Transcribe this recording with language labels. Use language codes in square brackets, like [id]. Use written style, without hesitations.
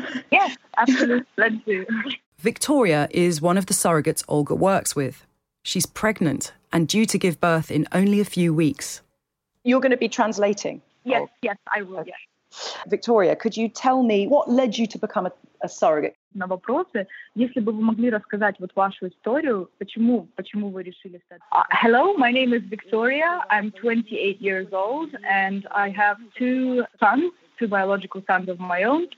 [en] Yes, absolutely. Let's do. Victoria is one of the surrogates Olga works with. She's pregnant and due to give birth in only a few weeks. You're going to be translating? Yes, I will, yes. Victoria, could you tell me what led you to become a surrogate? [uk] На вопроси, якщо б ви могли розказати от вашу історію, чому ви рішили стати? [en] Hello, my name is Victoria. I'm 28 years old and I have two biological sons of my own.